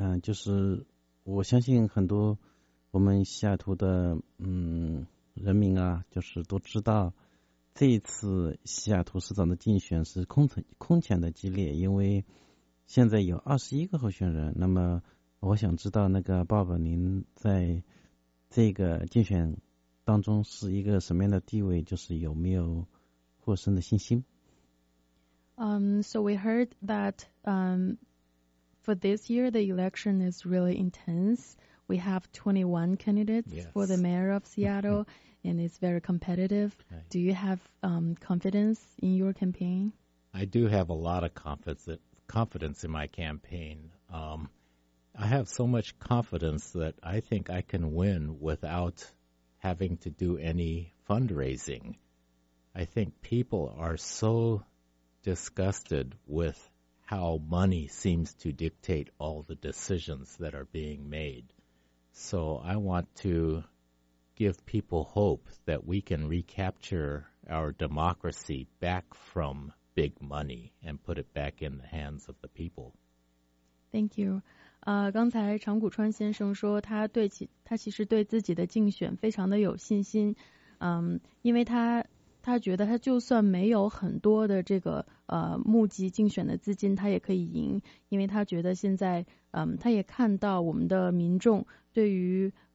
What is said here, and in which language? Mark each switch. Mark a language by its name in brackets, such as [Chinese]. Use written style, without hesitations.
[Chinese] 就是我相信很多我们西雅图的人民啊，就是都知道这一次西雅图市长的竞选是空前的激烈，因为现在有21个候选人。那么我想知道那个 Bob 您在这个竞选当中是一个什么样的地位，就是有没有获胜的信心。 [English] So we heard that for this year the election is really intense. We have 21 candidates yes. for the mayor of Seattle, and it's very competitive. Right. Do you have confidence in your campaign? I do have a lot of confidence in my campaign. I have so much confidence that I think I can win without having to do any fundraising. I think people are so disgusted with how money seems to dictate all the decisions that are being made. So I want to give people hope that we can recapture our democracy back from big money and put it back in the hands of the people. Thank you. [Chinese] 刚才长谷川先生说他其实对自己的竞选非常的有信心，嗯，因为他觉得他就算没有很多的这个募集竞选的资金他也可以赢，因为他觉得现在他也看到我们的民众对于